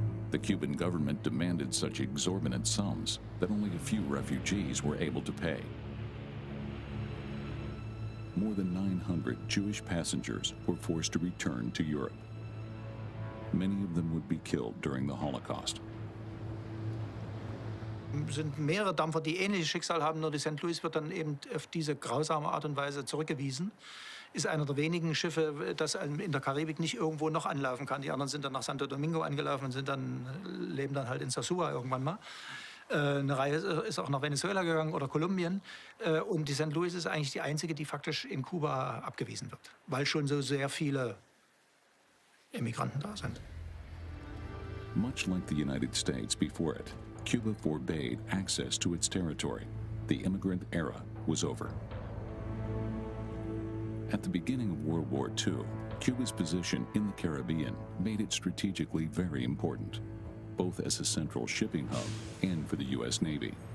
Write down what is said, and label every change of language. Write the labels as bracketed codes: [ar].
[en] The Cuban government demanded such exorbitant sums that only a few refugees were able to pay. More than 900 Jewish passengers were forced to return to Europe. Many of them would be killed during the Holocaust. [de] Sind mehrere Dampfer, die ähnliches Schicksal haben, nur die St. Louis wird dann eben auf diese grausame Art und Weise zurückgewiesen. Ist einer der wenigen Schiffe, das in der Karibik nicht irgendwo noch anlaufen kann. Die anderen sind dann nach Santo Domingo angelaufen und leben dann halt in Sosua irgendwann mal. Eine Reihe ist auch nach Venezuela gegangen oder Kolumbien. Und die St. Louis ist eigentlich die einzige, die faktisch in Kuba abgewiesen wird, weil schon so sehr viele Emigranten da sind. [en] Much like the United States before it, Cuba forbade access to its territory. The immigrant era was over. At the beginning of World War II, Cuba's position in the Caribbean made it strategically very important, both as a central shipping hub and for the U.S. Navy.